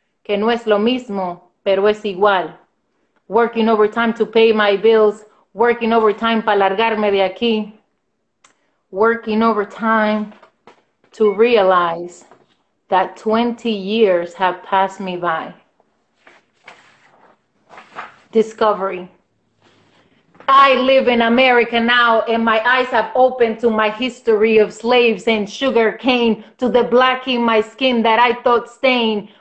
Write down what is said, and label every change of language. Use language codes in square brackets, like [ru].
[es] Que no es lo mismo, pero es igual. [en] Working overtime to pay my bills. Working overtime [es] para largarme de aquí. [en] Working overtime to realize that 20 years have passed me by. Discovery. I live in America now, and my eyes have opened to my history of slaves and sugar cane, to the black in my skin that I thought stained.